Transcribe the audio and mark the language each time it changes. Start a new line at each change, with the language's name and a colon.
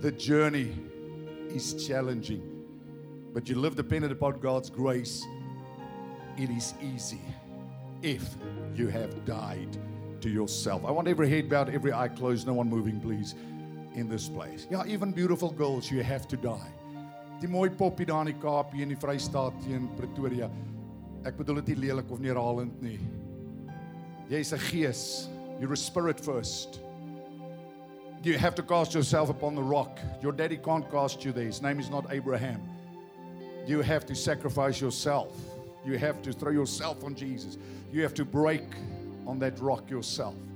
English: The journey is challenging. But you live dependent upon God's grace. It is easy if you have died to yourself. I want every head bowed, every eye closed, no one moving, please, in this place. Yeah, even beautiful girls, you have to die.
Afrikaans: Die mooi poppie daar in die Kaap hier in die Vrystaat teen Pretoria. Ek bedoel dit nie lelik of neerhalend nie. Jy's 'n gees.
English: You're a spirit first. You have to cast yourself upon the rock. Your daddy can't cast you there. His name is not Abraham. You have to sacrifice yourself. You have to throw yourself on Jesus. You have to break on that rock yourself.